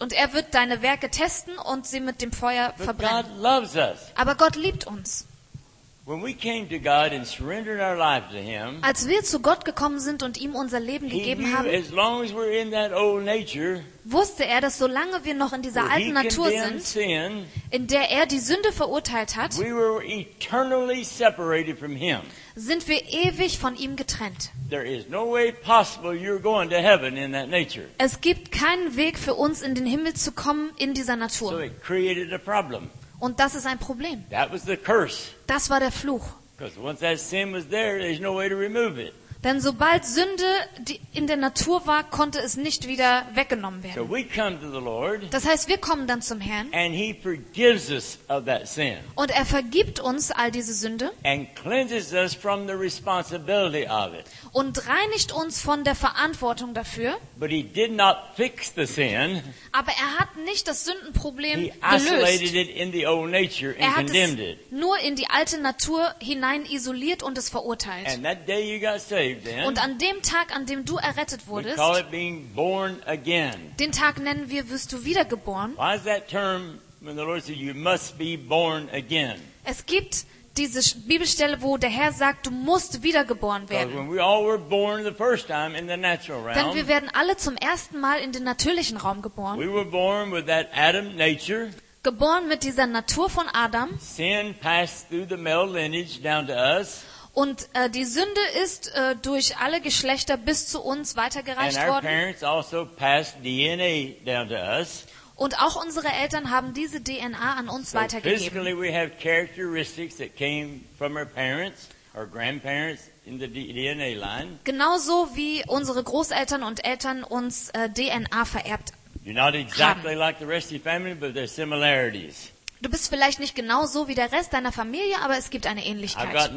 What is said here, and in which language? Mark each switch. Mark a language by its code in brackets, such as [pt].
[de] Und er wird deine Werke testen und sie mit dem Feuer verbrennen. Aber Gott liebt uns. [en] When we came to God and surrendered our life to him, [de] als wir zu Gott gekommen sind und ihm unser Leben gegeben haben, [en] as long as we're in that old nature, [de] wusste er, dass solange wir noch in dieser alten Natur sind, [en] sin, [de] in der er die Sünde verurteilt hat, [en] we were eternally separated from him. [de] Sind wir ewig von ihm getrennt. [en] There is no way possible you're going to heaven in that nature. [de] Es gibt keinen Weg für uns, in den Himmel zu kommen in dieser Natur. [en] So it created a problem. [de] Und das ist ein Problem. [en] That was the curse. [de] Das war der Fluch. [en] Because once that sin was there, there's no way to remove it. [de] Denn sobald Sünde in der Natur war, konnte es nicht wieder weggenommen werden. [en] So we come to the Lord, [de] das heißt, wir kommen dann zum Herrn [en] and he forgives us of that sin, [de] und er vergibt uns all diese Sünde [en] and cleanses us from the responsibility of it. [de] Und reinigt uns von der Verantwortung dafür. [en] But he did not fix the sin, [de] aber er hat nicht das Sündenproblem [en] he isolated [de] gelöst. [en] It in the old nature and [de] er hat [en] condemned [de] es nur in die alte Natur hinein isoliert und es verurteilt. [en] And that day you got saved, then, [de] und an dem Tag, an dem du errettet wurdest, [en] we call it being born again. [de] Den Tag nennen wir, wirst du wiedergeboren. [en] Why is that term when the Lord said you must be born again? [de] Es gibt diese Bibelstelle, wo der Herr sagt, du musst wiedergeboren werden. [en] When we all were born the first time in the natural realm, [de] denn wir werden alle zum ersten Mal in den natürlichen Raum geboren. [en] We were born with that Adam nature. [de] Geboren mit dieser Natur von Adam. [en] Sin passed through the male lineage down to us. [de] Und die Sünde ist durch alle Geschlechter bis zu uns weitergereicht worden. [en] And our parents also passed DNA down to us. [de] Und auch unsere Eltern haben diese DNA an uns [en] so [de] weitergegeben. [en] Physically we have characteristics that came from our parents, our grandparents in the DNA line. [de] Genauso wie unsere Großeltern und Eltern uns DNA vererbt haben. [en] You're not exactly like the rest of your family, but there are similarities. [de] Du bist vielleicht nicht genau so wie der Rest deiner Familie, aber es gibt eine Ähnlichkeit.